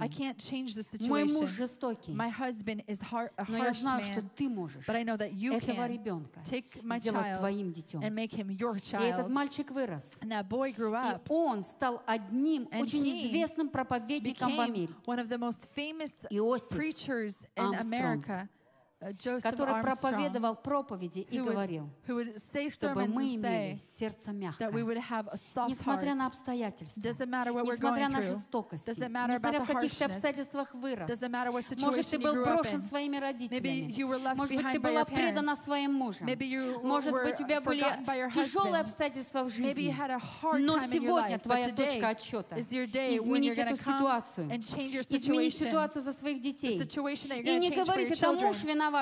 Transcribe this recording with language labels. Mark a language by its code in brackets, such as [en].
[en] I can't change the situation. [ru] Мой муж жестокий. [en] My husband is [ru] но я знаю, [en] man, [ru] что ты можешь [en] but I know that you [ru] этого [en] can [ru] ребенка [en] take my child [ru] сделать твоим детем. [en] And make him your child. [ru] И этот мальчик вырос. [en] And that boy grew up. [ru] И он стал одним очень известным проповедником в Америке. [en] One of the most famous preachers in America. [ru] Который проповедовал проповеди и говорил, чтобы мы имели сердце мягкое, несмотря на обстоятельства, несмотря на жестокость, несмотря в каких-то обстоятельствах вырос. Может, ты был брошен своими родителями, может быть, ты была предана своим мужем, может быть, у тебя были тяжелые обстоятельства в жизни, но сегодня твоя точка отсчета изменить эту ситуацию, изменить ситуацию за своих детей и не говорить, это муж виноват.